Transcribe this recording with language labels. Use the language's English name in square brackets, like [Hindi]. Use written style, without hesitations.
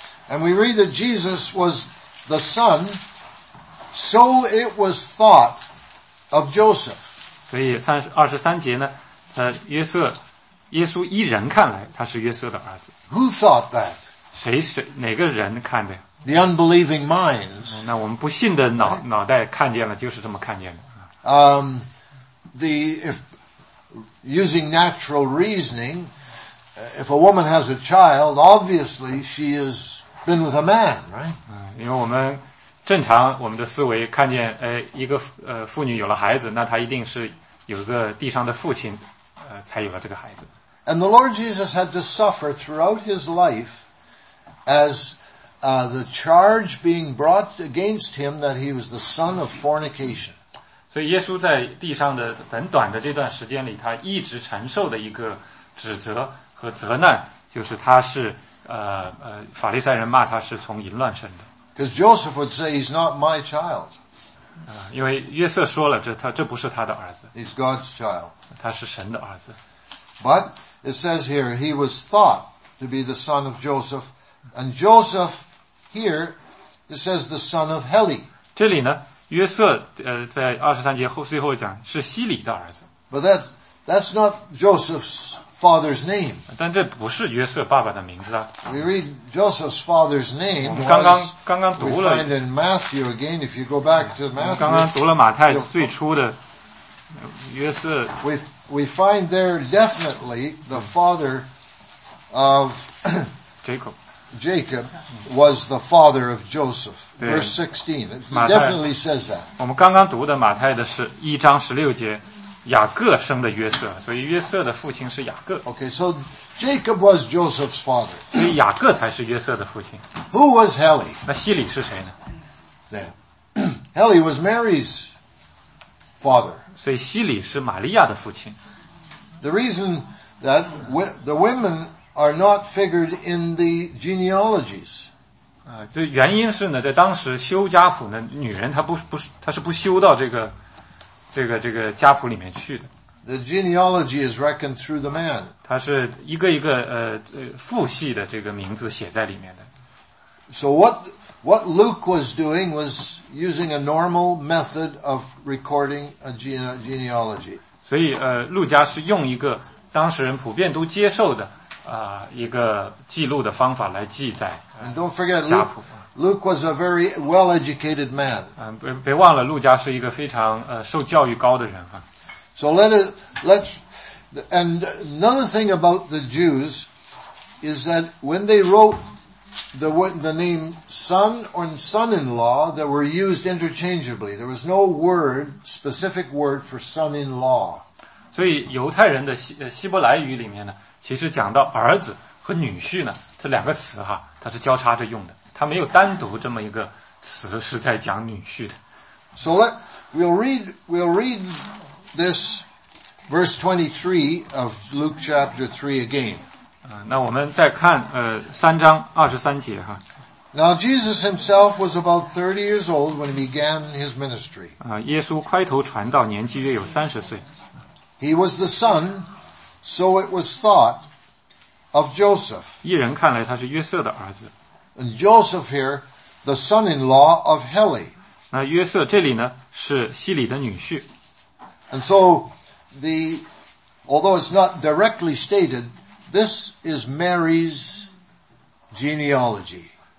[English] And we read that Jesus was the son, so it was thought of Joseph. [Chinese] 所以23节呢，耶稣依人看来他是约瑟的儿子。 [English] Who thought that? [Chinese] 哪个人看的？ [English] The unbelieving minds. [Chinese] 那我们不信的脑袋看见了，就是这么看见的。 [English] If using natural reasoning, if a woman has a child, obviously she is been with a man, right? [Chinese] 因为我们正常我们的思维看见一个妇女有了孩子，那她一定是有一个地上的父亲才有了这个孩子。 [English] And the Lord Jesus had to suffer throughout his life as the charge being brought against him that he was the son of fornication. [Chinese] 所以耶稣在地上的很短的这段时间里，他一直承受的一个指责和责难，就是他是法利赛人骂他是从淫乱生的。 [English] Because Joseph would say he's not my child. [Chinese] 因为约瑟说了这不是他的儿子。 [English] He's God's child. [Chinese] 他是神的儿子。 [English] But it says here he was thought to be the son of Joseph, and Joseph here it says the son of Heli. [Chinese] 这里呢，约瑟在23节后最后讲是希里的儿子。 [English] But that's not Joseph's father's name. [Chinese] 但这不是约瑟爸爸的名字啊。 [English] We read Joseph's father's name. [Chinese] 我们刚刚读了。 [English] We find in Matthew again. If you go back to Matthew. [Chinese] 刚刚读了马太最初的约瑟。 [English] We we find there definitely the father of Jacob. Jacob was the father of Joseph. Verse 16. It definitely says that. [Chinese] 我们刚刚读的马太的是一章十六节，雅各生的约瑟，所以约瑟的父亲是雅各。 [English] Okay, so Jacob was Joseph's father. [Chinese] 所以雅各才是约瑟的父亲。 [English] Who was Heli? [Chinese] 那希里是谁呢？ [English] Heli was Mary's father. [Chinese] 所以希里是玛利亚的父亲。 [English] The reason that the women are not figured in the genealogies. [Chinese] 这原因是呢，在当时修家谱呢，女人她是不修到这个家谱里面去的。 [English] The genealogy is reckoned through the man. [Chinese] 它是一个一个父系的这个名字写在里面的。 [English] So what Luke was doing was using a normal method of recording a genealogy. [Chinese] 所以路加是用一个当时人普遍都接受的一个记录的方法来记载。 [English] And don't forget, Luke was a very well-educated man. [Chinese] 别忘了，路加是一个非常受教育高的人哈。 [English] So and another thing about the Jews is that when they wrote the name son or son-in-law, they were used interchangeably. There was no word, specific word for son-in-law. [Chinese] 所以犹太人的希伯来语里面呢，其实讲到儿子和女婿呢，这两个词哈，它是交叉着用的，它没有单独这么一个词是在讲女婿的。 [English] So we'll read this verse 23 of Luke chapter 3 again. [Chinese] 那我们再看三章二十三节哈。 [English] Now Jesus himself was about 30 years old when he began his ministry. [Chinese] 耶稣快头传道年纪约有三十岁。 [English] He was the son, so it was thought. Of Joseph. [Chinese] 一人看来他是约瑟的儿子。 [English] And Joseph here, the son-in-law of Heli. [Chinese] 那约瑟这里呢是希里的女婿。 [English] And so, although it's not directly stated, this is Mary's genealogy.